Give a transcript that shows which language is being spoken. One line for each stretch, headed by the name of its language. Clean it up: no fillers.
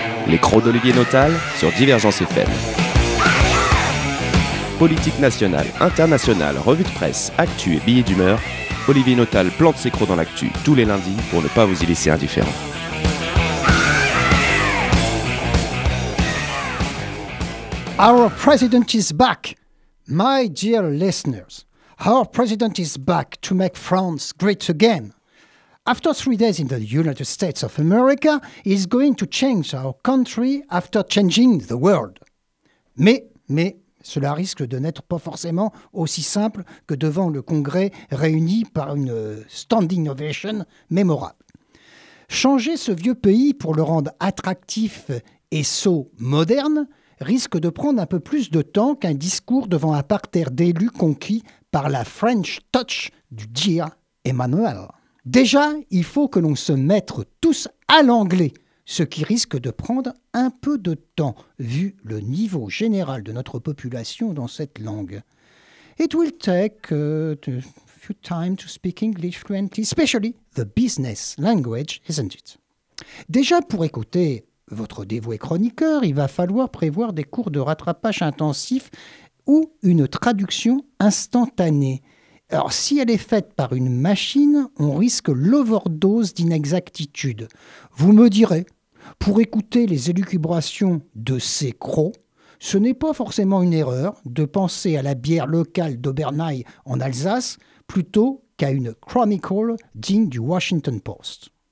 French: les crocs d'Olivier Nautal sur Divergence FM. Politique nationale, internationale, revue de presse, actu et billets d'humeur, Olivier Nautal plante ses crocs dans l'actu tous les lundis pour ne pas vous y laisser indifférent.
English: Our president is back, my dear listeners. Our president is back to make France great again. After 3 days in the United States of America, he's going to change our country after changing the world.
French: Mais, cela risque de n'être pas forcément aussi simple que devant le Congrès réuni par une standing ovation mémorable. Changer ce vieux pays pour le rendre attractif et sot moderne risque de prendre un peu plus de temps qu'un discours devant un parterre d'élus conquis par la French touch du dear Emmanuel. Déjà, il faut que l'on se mette tous à l'anglais, ce qui risque de prendre un peu de temps, vu le niveau général de notre population dans cette langue.
English: It will take a few time to speak English fluently, especially the business language, isn't it?
French: Déjà, pour écouter votre dévoué chroniqueur, il va falloir prévoir des cours de rattrapage intensif ou une traduction instantanée. Alors, si elle est faite par une machine, on risque l'overdose d'inexactitude. Vous me direz, pour écouter les élucubrations de ces crocs, ce n'est pas forcément une erreur de penser à la bière locale d'Obernai en Alsace plutôt qu'à une chronicle digne du Washington Post.